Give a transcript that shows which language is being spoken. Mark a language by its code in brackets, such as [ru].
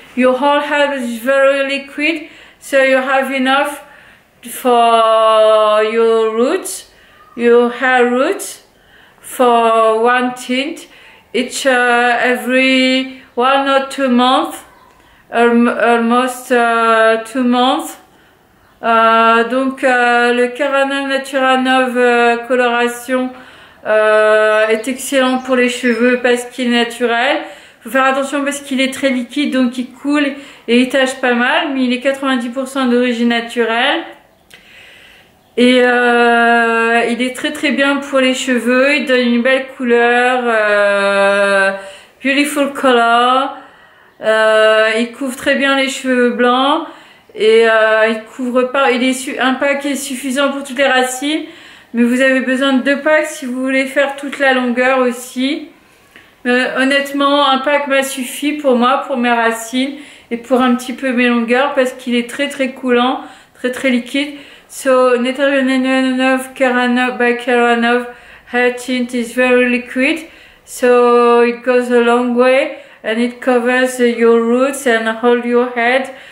[en] Your whole hair is very liquid, so you have enough for your roots, your hair roots. For one tint, it's every 1 or 2 months, almost 2 months. [fr] Donc le Kera 9 Natura 9 coloration est excellent pour les cheveux parce qu'il est naturel. Faut faire attention parce qu'il est très liquide, donc il coule et il tache pas mal, mais il est 90% d'origine naturelle. Et il est très très bien pour les cheveux, il donne une belle couleur, [en] beautiful color, [fr] il couvre très bien les cheveux blancs et il couvre pas, il est un pack est suffisant pour toutes les racines, mais vous avez besoin de 2 packs si vous voulez faire toute la longueur aussi. Mais honnêtement, 1 pack m'a suffi pour moi, pour mes racines et pour un petit peu mes longueurs parce qu'il est très très coulant, très très liquide. [en] So Natura 9 Kera 9 by Kera 9 hair tint is very liquid, so it goes a long way and it covers your roots and hold your head.